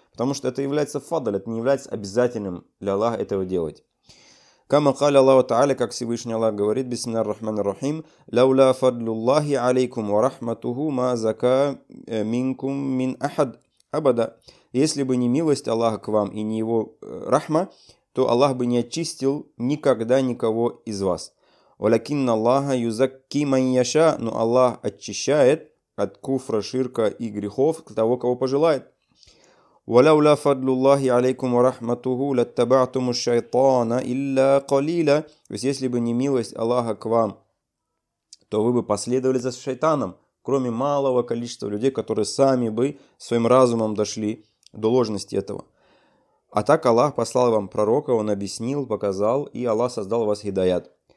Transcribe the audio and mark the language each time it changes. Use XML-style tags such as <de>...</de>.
<ru>Потому что это является фадаль, это не является обязательным для Аллаха этого делать.</ru> <ar>Кама قال الله تعالى,</ar> <ru>как Всевышний Аллах говорит,</ru> <ar>بسم الله الرحمن الرحيم, لولا فضل الله عليكم ورحمته ما زكى منكم من أحد أبدا.</ar> <ru>Если бы не милость Аллаха к вам и не его рахма, то Аллах бы не очистил никогда никого из вас.</ru> <ar>ولكن الله يزكي من يشاء.</ar> <ru>Но Аллах очищает от куфра, ширка и грехов того, кого пожелает.</ru> <ar>ولولا فضل الله عليكم ورحمته لاتبعتم الشيطان إلا قليلا.</ar> <ru>То есть если бы не милость Аллаха к вам, то вы бы последовали за шайтаном, кроме малого количества людей, которые сами бы своим разумом дошли до ложности этого. А так Аллах послал вам пророка, он объяснил, показал, и Аллах создал вас хидаят.</ru>